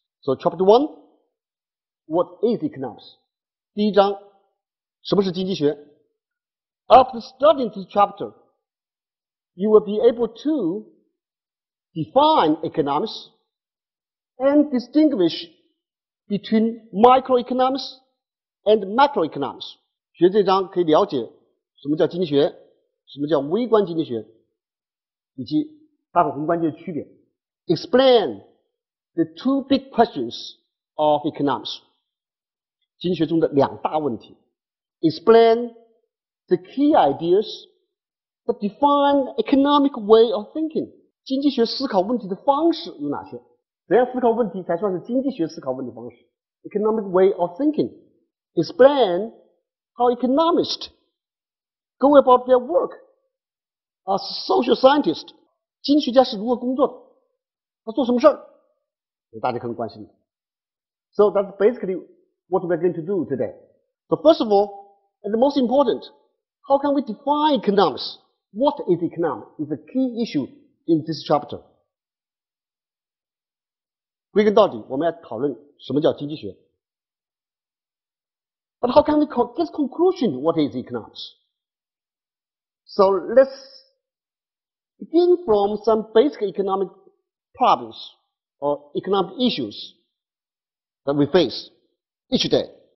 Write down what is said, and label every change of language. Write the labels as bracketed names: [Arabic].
[English] So chapter 1, what is economics? [Chinese] 第一章, 什么是经济学? [English] After studying this chapter, you will be able to define economics and distinguish between microeconomics and macroeconomics. [Chinese] 学这章可以了解什么叫经济学, 什么叫微观经济学, 以及大宏观经济的区别. [English] Explain the 2 big questions of economics. [Chinese] 经济学中的两大问题. [English] Explain the key ideas that define economic way of thinking. [Chinese] 经济学思考问题的方式有哪些?怎样思考问题才算是经济学思考问题方式? [English] Economic way of thinking. Explain how economists go about their work as social scientists. [Chinese] 经济学家是如何工作的? 他做什么事儿?大家可能关心的. [English] So that's basically what we're going to do today. So first of all, and the most important, how can we define economics? What is economics? Is a key issue in this chapter. [Chinese] 归根到底，我们要讨论什么叫经济学。 [English] But how can we get conclusion what is economics? So let's begin from some basic economic problems or economic issues that we face each day.